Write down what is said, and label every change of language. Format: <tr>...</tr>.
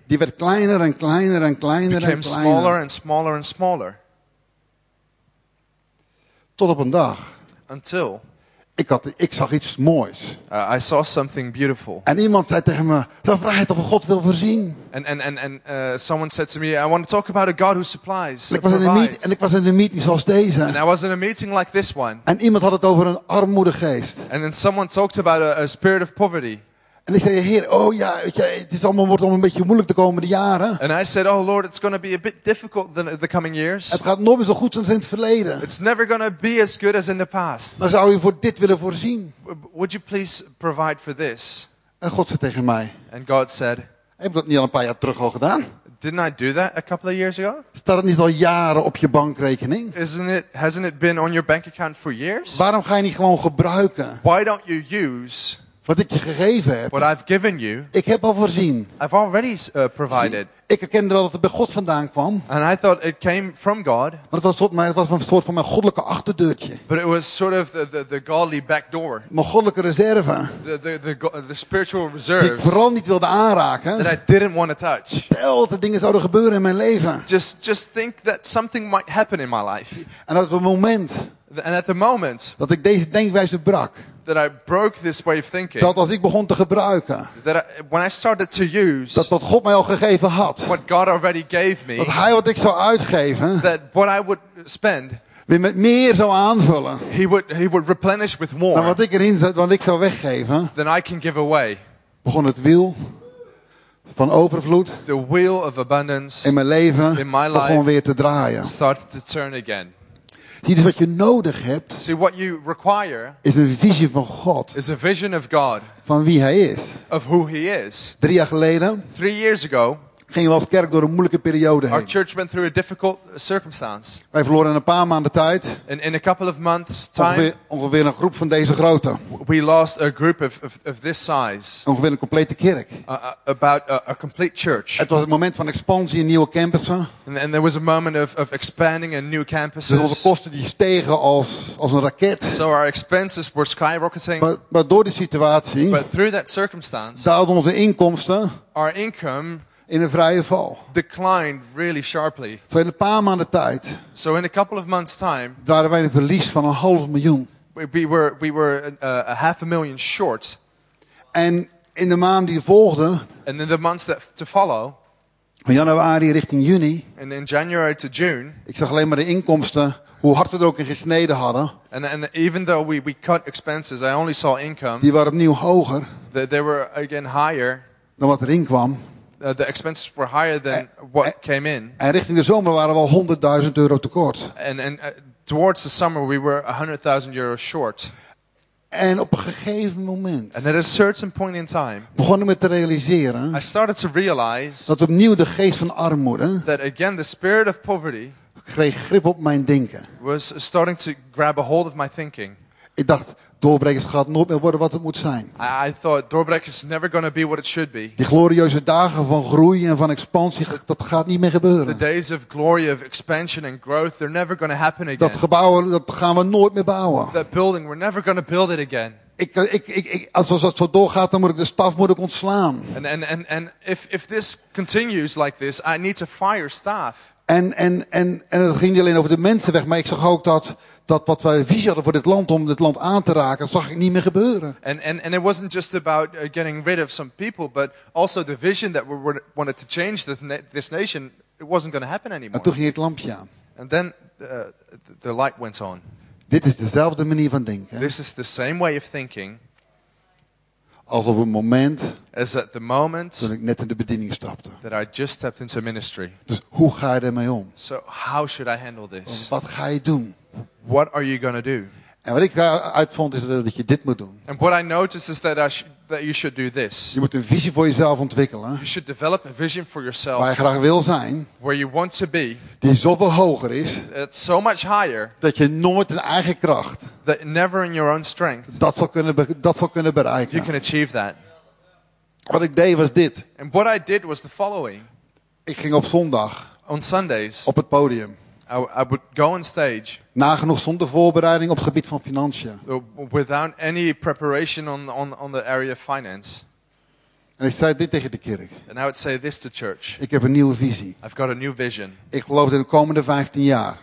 <nl>Die werd kleiner en kleiner en kleiner en kleiner.</nl> <en>Became smaller and smaller and smaller.</en> <nl>Tot op een dag.</nl> <en>Until.</en> <nl>Ik zag iets moois.</nl> <en>I saw something beautiful.</en> <nl>En iemand zei tegen me. Dan vraag je toch of God wil voorzien.</nl> <en>Someone said to me. I want to talk about a God who supplies.</en> <nl>En ik was in een meeting zoals deze.</nl> <en>And I was in a meeting like this one.</en> <nl>En iemand had het over een armoedegeest.</nl> <en>And then someone talked about a spirit of poverty.</en> <nl>En ik zei, Heer, oh ja, weet je, dit allemaal wordt allemaal een beetje moeilijk de komende jaren.</nl> <en>And I said, oh Lord, it's going to be a bit difficult the coming years.</en> <nl>Het gaat nooit meer zo goed als in het verleden.</nl> <en>It's never going to be as good as in the past.</en> <nl>Dan zou je voor dit willen voorzien.</nl> <en>Would you please provide for this?</en> <nl>En God zei tegen mij.</nl> <en>And God said.</en> <nl>Heb je dat niet al een paar jaar terug al gedaan?</nl> <en>Didn't I do that a couple of years ago?</en> <nl>Staat het niet al jaren op je bankrekening?</nl> <en>Hasn't it been on your bank account for years?</en> <nl>Waarom ga je niet gewoon gebruiken?</nl> <en>Why don't you use...</en> <nl>Wat ik je gegeven heb.</nl> <en>What I've given you.</en> <nl>Ik heb al voorzien.</nl> <en>I've already provided.</en> <nl>Ik herkende wel dat het bij God vandaan kwam.</nl> <en>And I thought it came from God.</en> <nl>Maar het was een soort van mijn goddelijke achterdeurtje.</nl> <en>But it was sort of the godly back door.</en> <nl>Mijn goddelijke reserve.</nl> <en>The spiritual reserve.</en> <nl>Die ik vooral niet wilde aanraken.</nl> <en>That I didn't want to touch.</en> <nl>Stel dat dingen zouden gebeuren in mijn leven.</nl> <en>Just think that something might happen in my life.</en> <nl>En op het moment.</nl> <en>And at the moment.</en> <nl>Dat ik deze denkwijze brak.</nl> <en>That I broke this way of thinking.</en> <nl>Dat als ik begon te gebruiken.</nl> <en>That when I started to use.</en> <nl>Dat wat God mij al gegeven had.</nl> <en>What God already gave me.</en> <nl>Dat hij wat ik zou uitgeven.</nl> <en>That what I would spend.</en> <nl>Weer met meer zou aanvullen.</nl> <en>He would replenish with more.</en> <nl>Dan wat ik erin zet, wat ik zou weggeven.</nl> <en>Then I can give away.</en> <nl>Begon het wiel van overvloed.</nl> <en>The wheel of abundance.</en> <nl>In mijn leven.</nl> <en>In my life.</en> <nl>Begon weer te draaien.</nl> <en>Started to turn again.</en> <nl>Zie, dus wat je nodig hebt.</nl> <en>See, what you require</en> <nl>is een visie van God.</nl> <en>Is a vision of God.</en> <nl>Van wie hij is.</nl> <en>Of who he is.</en> <nl>3 jaar geleden.</nl> <en>3 years ago.</en> <nl>Gingen we als kerk door een moeilijke periode heen.</nl> <en>Our church went through a difficult circumstance.</en> <nl>Wij verloren in een paar maanden tijd.</nl> <en>In a couple of months time.</en> <nl>Ongeveer een groep van deze grootte.</nl> <en>We lost a group of this size.</en> <nl>Ongeveer een complete kerk.</nl> <en>About a complete church.</en> <nl>Het was het moment van expansie in nieuwe campussen.</nl> <en>And there was a moment of expanding in new campuses.</en> <nl>Dus onze kosten die stegen als een raket.</nl> <en>So our expenses were skyrocketing.</en> <nl>Maar door die situatie.</nl> <en>But through that circumstance.</en> <nl>Daalden onze inkomsten.</nl> <en>Our income.</en> <nl>In een vrije val.</nl> <en>Declined really sharply.</en> <nl>Zo in een paar maanden tijd.</nl> <en>So in a couple of months time.</en> <nl>Draaiden wij een verlies van 500.000.</nl> <en>We were a half a million short.</en> <nl>En in de maand die volgde.</nl> <en>And in the months that to follow.</en> <nl>Van januari richting juni.</nl> <en>And in January to June.</en> <nl>Ik zag alleen maar de inkomsten. Hoe hard we er ook in gesneden hadden.</nl> <en>And even though we cut expenses, I only saw income.</en> <nl>Die waren opnieuw hoger.</nl> <en>They were again higher.</en> <nl>Dan wat erin kwam.</nl> <en>The expenses were higher than what came in.</en> <nl>En richting de zomer waren we al 100.000 euro tekort.</nl> <en>And towards the summer we were 100.000 euro short.</en> <nl>En op een gegeven moment.</nl> <en>And at a certain point in time.</en> <nl>Begonnen we te realiseren.</nl> <en>I started to realize.</en> <nl>Dat opnieuw de geest van armoede.</nl> <en>That again the spirit of poverty.</en> <nl>kreeg grip op mijn denken.</nl> <en>Was starting to grab a hold of my thinking.</en> <nl>Ik dacht, doorbrekers gaat nooit meer worden wat het moet zijn.</nl> <en>I thought doorbrekers is never going to be what it should be.</en> <nl>Die glorieuze dagen van groei en van expansie, dat gaat niet meer gebeuren.</nl> <en>The days of glory of expansion and growth, they're never going to happen again.</en> <nl>Dat gebouw, dat gaan we nooit meer bouwen.</nl> <en>That building, we're never going to build it again.</en> <nl>Ik als dat zo doorgaat, dan moet ik de staf moeten ontslaan.</nl> <en>And if this continues like this, I need to fire staff.</en> <nl>En het ging niet alleen over de mensen weg, maar ik zag ook dat wat wij visie hadden voor dit land om dit land aan te raken, zag ik niet meer gebeuren.</nl> <en>And it wasn't just about getting rid of some people, but also the vision that we wanted to change this nation, it wasn't going to happen anymore.</en> <nl>En toen ging het lampje aan.</nl> <en>And then the light went on.</en> <nl>Dit is dezelfde manier van denken.</nl> <en>This is the same way of thinking.</en> <nl>Als op het moment,</nl> <en>as at the moment</en> <nl>toen ik net in de bediening stapte.</nl> <en>That I just stepped into ministry.</en> <nl>Dus hoe ga je ermee om?</nl> <en>So how should I handle this?</en> <nl>Wat ga je doen?</nl> <en>What are you gonna do?</en> <nl>En wat ik uitvond is dat je dit moet doen.</nl> <en>And what I noticed is that that you should do this.</en> <nl>Je moet een visie voor jezelf ontwikkelen.</nl> <en>You should develop a vision for yourself.</en> <nl>Waar je graag wil zijn.</nl> <en>Where you want to be.</en> <nl>Die zoveel hoger is.</nl> <en>It's so much higher.</en> <nl>Dat je nooit in eigen kracht.</nl> <en>That never in your own strength.</en> <nl>Dat zal kunnen bereiken.</nl> <en>You can achieve that.</en> <nl>Wat ik deed was dit.</nl> <en>And what I did was the following.</en> <nl>Ik ging op zondag.</nl> <en>On Sundays.</en> <nl>Op het podium.</nl> <en>I would go on stage.</en> <nl>Nagenoeg zonder voorbereiding op het gebied van financiën.</nl> <en>Without any preparation on the area of finance.</en> <nl>En ik zei dit tegen de kerk.</nl> <en>And I would say this to church.</en> <nl>Ik heb een nieuwe visie.</nl> <en>I've got a new vision.</en> <nl>Ik geloof dat in de komende 15 jaar.</nl>